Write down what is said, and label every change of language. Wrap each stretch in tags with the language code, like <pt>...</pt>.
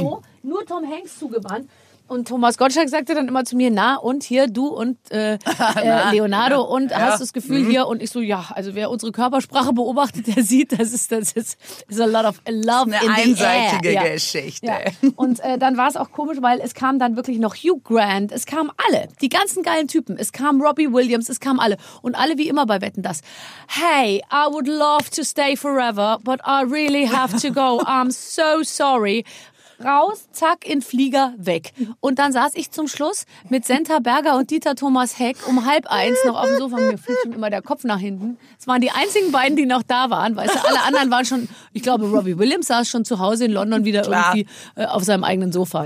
<de>so, nur Tom Hanks zugewandt. Und Thomas Gottschalk sagte dann immer zu mir, na und hier, du und Leonardo, ja, und hast du das Gefühl hier? Und ich so, ja, also wer unsere Körpersprache beobachtet, der sieht, das ist</de> <en>a lot of love in the air.</en> <de>Eine einseitige Geschichte. Ja. Und dann war es auch komisch, weil es kam dann wirklich noch Hugh Grant, es kamen alle, die ganzen geilen Typen, es kam Robbie Williams, es kamen alle. Und alle wie immer bei Wetten, dass,</de> <en>hey, I would love to stay forever, but I really have to go, I'm so sorry.</en> <de>Raus, zack, in Flieger, weg. Und dann saß ich zum Schluss mit Senta Berger und Dieter Thomas Heck um 12:30 noch auf dem Sofa. Mir fiel schon immer der Kopf nach hinten. Es waren die einzigen beiden, die noch da waren. Weißt du, alle anderen waren schon, ich glaube, Robbie Williams saß schon zu Hause in London wieder irgendwie auf seinem eigenen Sofa.</de>